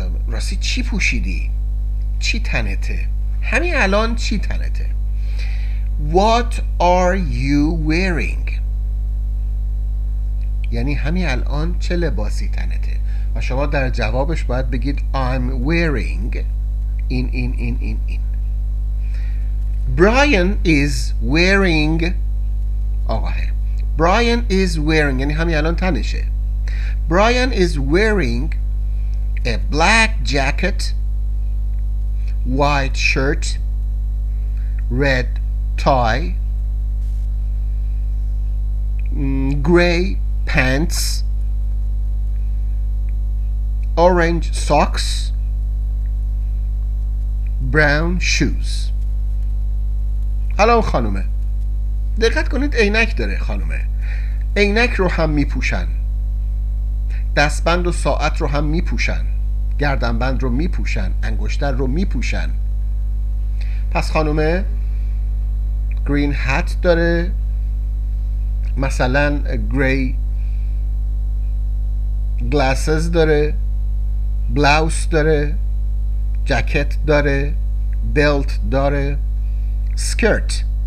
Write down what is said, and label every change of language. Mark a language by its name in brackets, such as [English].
[Persian] راستی چی پوشیدی؟ چی تنته؟ همین الان چی تنته؟ [English] What are you wearing؟ [Persian] یعنی همین الان چه لباسی تنته؟ و شما در جوابش باید بگید [English] I'm wearing [Persian] این. [English] Brian is wearing، [Persian] آقاه [English] Brian is wearing [Persian] یعنی همین الان تنشه. [English] Brian is wearing a black jacket, white shirt, red tie, gray pants, orange socks, brown shoes. [Persian] حالا اون خانومه، دقت کنید عینک داره خانومه، عینک رو هم میپوشن، دستبند و ساعت رو هم میپوشن، گردنبند رو میپوشن، انگشتر رو میپوشن. پس خانومه گرین هات داره، مثلا گری گلاسز داره، بلاوس داره، جکت داره، بلت داره، سکرت